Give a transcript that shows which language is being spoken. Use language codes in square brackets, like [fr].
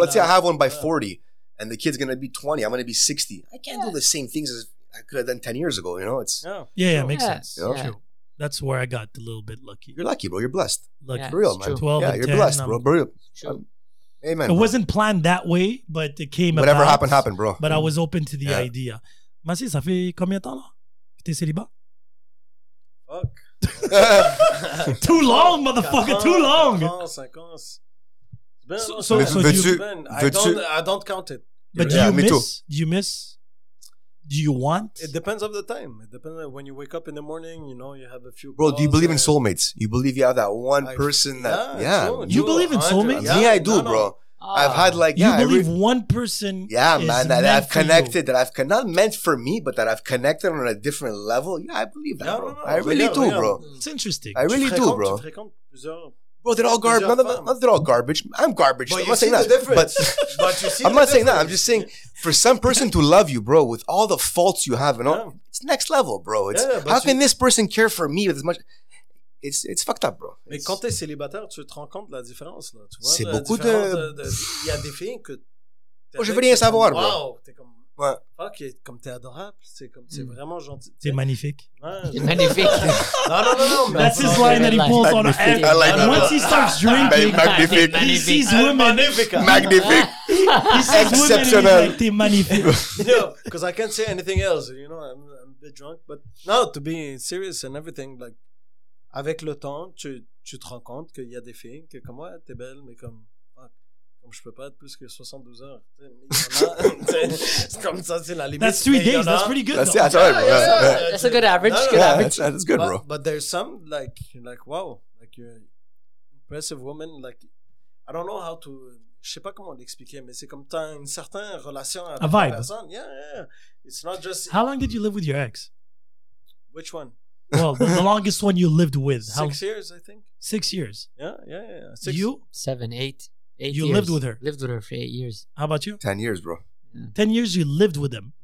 [en] Let's say I have one by 40 and the kid's going to be 20. I'm going to be 60. I can't do the same things as I could have done 10 years ago. You know, it's. Yeah, it makes sense. You know? Yeah. True. That's where I got a little bit lucky. You're lucky, bro. You're blessed. Lucky. For real, man. 12 and 10. You're blessed, bro. For real. Amen. It wasn't planned that way, but it came about. Whatever happened, happened, bro. But I was open to the idea. [fr] Masi, ça fait combien de temps là que t'es célibat? [en] Fuck. Too long, motherfucker. Too long. I don't count it. But do you miss? Do you miss? Do you want? It depends on the time. It depends on when you wake up in the morning, you know, you have a few. Bro, do you believe in soulmates? You believe you have that one person that. Yeah. You believe in soulmates? Yeah, I do, bro. I've had like. You believe one person. Yeah, man, that I've connected, that I've not meant for me, but that I've connected on a different level. Yeah, I believe that, bro. I really do, bro. It's interesting. I really do, bro. Bro, they're all garbage. They're all garbage. I'm garbage. But I'm not saying that. I'm just saying, for some person to love you, bro, with all the faults you have, it's next level, bro. How can this person care for me with as much? It's fucked up, bro. [fr] Mais quand t'es célibataire, tu te rends compte la différence là. Tu vois, c'est la beaucoup de. Il y a des filles que. Oh, je veux rien savoir, comme, [en] bro. [fr] Wow, t'es comme. Ouais. Ok, comme t'es adorable, c'est comme c'est vraiment gentil. T'es magnifique. T'es magnifique. Non. [en] That's his line that he pulls on the end. Like once he starts drinking, [fr] magnifique. [en] He sees women. [fr] Magnifique. [en] Exceptional. [fr] T'es magnifique. [en] Because I can't say anything else. You know, I'm a bit drunk, but no, to be serious and everything, like, [fr] avec le temps, tu te rends compte qu'il y a des filles que comme ouais, t'es belle, mais comme. Je peux pas être plus que 72 heures. C'est comme ça, c'est la limite. [en] That's 3 days. That's pretty good. That's all right, bro. That's a good average. That's good, bro. But there's some like wow, like you're an impressive woman. Like I don't know how to. [fr] Je sais pas comment l'expliquer, mais c'est comme t'as une certaine relation avec la vibe. Personne. [en] Yeah. It's not just. How long did you live with your ex? Which one? Well, the longest one you lived with. 6 years, I think. 6 years. Yeah. Six. You? 7, 8. You years. Lived with her. Lived with her for 8 years. How about you? 10 years, bro. Yeah. 10 years you lived with him.